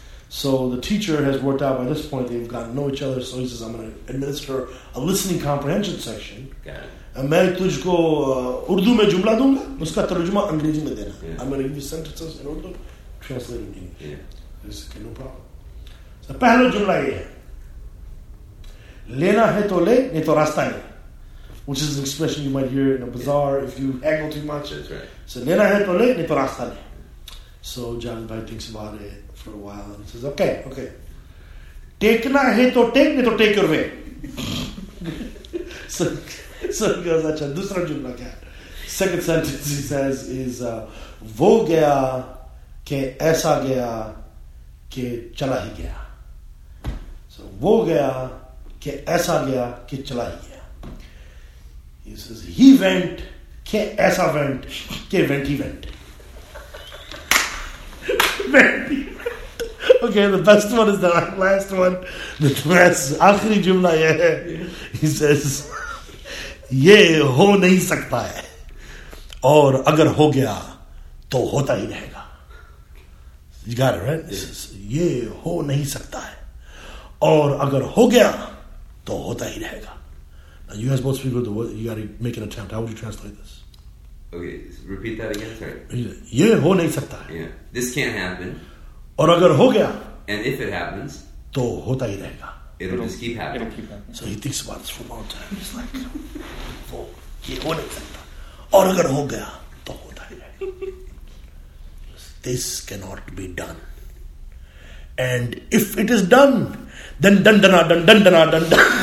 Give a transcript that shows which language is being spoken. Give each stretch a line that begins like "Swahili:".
English: So the teacher has worked out by this point, they've gotten to know each other, so he says, I'm going to administer a listening comprehension section. Got it. I'm going to give you sentences in Urdu, translate in English. Yeah. This is no problem. So the first
Hindi: जुमला is, लेना है तो ले, नहीं तो रास्ता है.
English: Which is an expression you might hear in a bazaar if you haggle too much. That's right.
Hindi: So, लेना है तो ले, नहीं तो रास्ता है.
English: So, John Bhai thinks about it for a while and he says, okay.
Hindi: टेकना है तो take, नहीं तो
English: take your way. So, he goes,
Hindi: अच्छा, दूसरा जुमला क्या.
English: Second sentence he says is,
Hindi: वो गया के ऐसा गया के चला ही गया. So, वो गया के ऐसा गया के चला ही गया.
English: He says, he went,
Hindi: ke aisa
English: went, ke went, he went. Went, he went. Okay, the best one is the last one. The last,
Hindi: आख़री जुमला ये है.
English: He says,
Hindi: ये हो नहीं सकता है. और अगर हो गया, तो होता ही रहेगा.
English: You got it, right? He says,
Hindi: ये हो नहीं सकता है. और अगर हो गया, तो होता ही रहेगा.
English: You guys both speak with the word. You gotta make an attempt. How would you translate this? Okay, repeat that again. Sorry.
Hindi: ये हो नहीं सकता.
English: Yeah. This can't happen.
Hindi: और अगर हो गया.
English: And if it happens.
Hindi: तो होता ही रहेगा.
English: It'll just keep happening. It'll keep happening. So he thinks about this for a long time. He's like,
Hindi: ये हो नहीं सकता. और अगर हो गया. तो होता ही रहेगा.
English: This cannot be done. And if it is done, then dun dun dun dun dun dun dun dun.